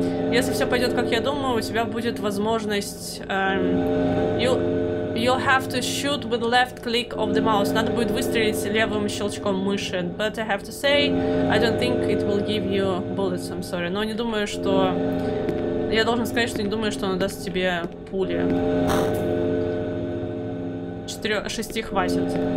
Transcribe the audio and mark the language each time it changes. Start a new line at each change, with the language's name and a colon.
Russian: Если все пойдет, как я думаю, у тебя будет возможность...
English: You'll have to shoot with left click of the mouse.
Russian: Надо будет выстрелить левым щелчком мыши.
English: But I have to say, I don't think it will give you bullets, I'm sorry.
Russian: Но не думаю, что... Я должен сказать, что не думаю, что оно даст тебе пули. Шести хватит.